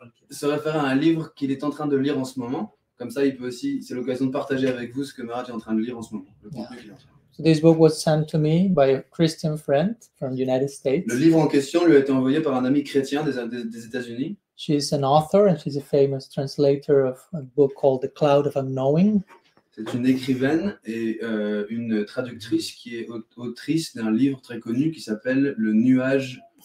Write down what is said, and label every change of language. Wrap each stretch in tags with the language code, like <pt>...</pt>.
<fr>Se référer à un livre qu'il est en train de lire en ce moment, comme ça il peut aussi, c'est l'occasion de partager avec vous ce que Maharaj est en train de lire en ce moment.</fr> <en>So this book was sent to me by a Christian friend from the United States.</en> <fr>Le livre en question lui a été envoyé par un ami chrétien des États-Unis.</fr> <en>She is an author and she's a famous translator of a book called The Cloud of Unknowing.</en> <fr>C'est une écrivaine et une traductrice qui est autrice d'un livre très connu qui s'appelle Le Nuage</fr>